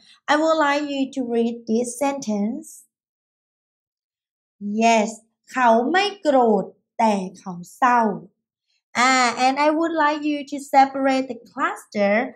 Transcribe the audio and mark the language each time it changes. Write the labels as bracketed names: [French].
[English] I would like you to read this sentence. Yes, [Thai] เขาไม่โกรธแต่เขาเศร้า. [English] And I would like you to separate the cluster.